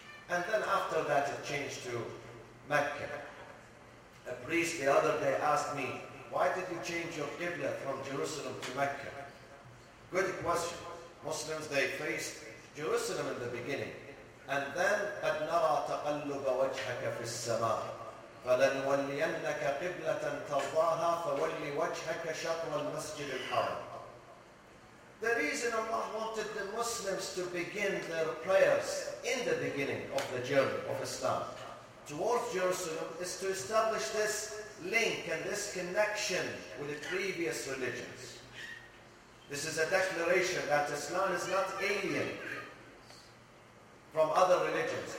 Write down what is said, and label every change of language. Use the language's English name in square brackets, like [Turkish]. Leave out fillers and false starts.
[English] And then after that, it changed to Mecca. A priest the other day asked me, why did you change your Qibla from Jerusalem to Mecca? Good question. Muslims, they faced Jerusalem in the beginning. And then, [Arabic] قَدْ نَرَى تَقَلُّبَ وَجْهَكَ فِي السَّمَاءِ فَلَنْوَلِّيَنَّكَ قِبْلَةً تَرْضَاهَا فَوَلِّي وَجْهَكَ شَطْرَ الْمَسْجِدِ الْحَرَامِ. [English] The reason Allah wanted the Muslims to begin their prayers in the beginning of the journey of Islam towards Jerusalem is to establish this link and this connection with the previous religions. This is a declaration that Islam is not alien from other religions.